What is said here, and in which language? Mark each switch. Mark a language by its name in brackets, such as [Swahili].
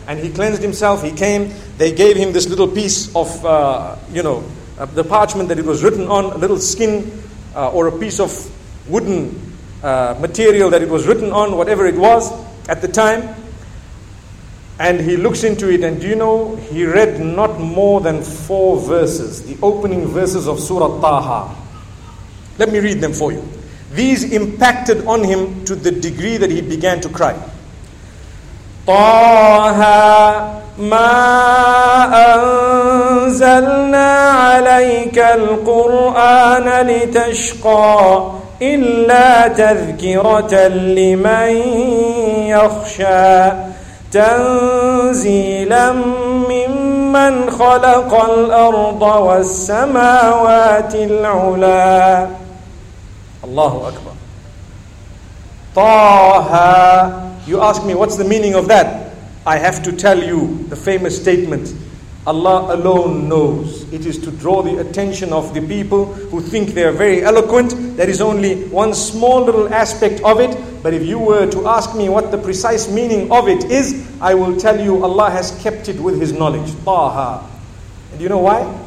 [English] And he cleansed himself, he came, they gave him this little piece of, the parchment that it was written on, a little skin or a piece of wooden material that it was written on, whatever it was at the time. And he looks into it, and do you know, he read not more than four verses, the opening verses of Surah Taha. Let me read them for you. These impacted on him to the degree that he began to cry. [Arabic] طه ما أنزلنا عليك القرآن لتشقى إلا تذكرة لمن يخشى تنزيلا ممن خلق الأرض والسماوات العلى. الله أكبر. طه. [English] You ask me what's the meaning of that? I have to tell you the famous statement, Allah alone knows. It is to draw the attention of the people who think they are very eloquent. That is only one small little aspect of it. But if you were to ask me what the precise meaning of it is, I will tell you Allah has kept it with His knowledge. Taha. And you know why?